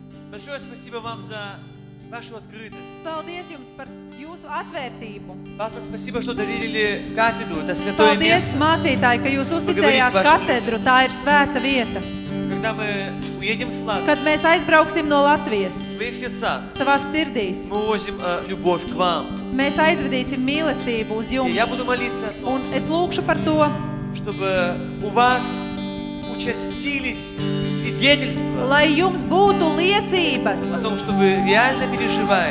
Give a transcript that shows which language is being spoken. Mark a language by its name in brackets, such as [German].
[Russian] Большое спасибо вам за вашу открытость. [Latvian] Paldies jums par jūsu atvērtību. Paldies, [Russian] спасибо, что доверили кафедру. Это святое место. [Latvian] Paldies, mācītāji, ka jūs uzticējāt katedru. Tā ir svēta vieta. [Russian] Когда мы уедем с Латвии. [Latvian] Kad mēs aizbrauksim no Latvijas. [Russian] Своих сердцах. [Latvian] Savās sirdīs. [Russian] Мы возим любовь к вам. [Latvian] Mēs aizvedīsim mīlestību uz jums. [Russian] Я буду молиться. [Latvian] Un es lūkšu par to, [Russian] чтобы у вас участились свидетельства. [Latvian] Lai jums būtu liecības. [Russian] О том, что вы реально переживаете.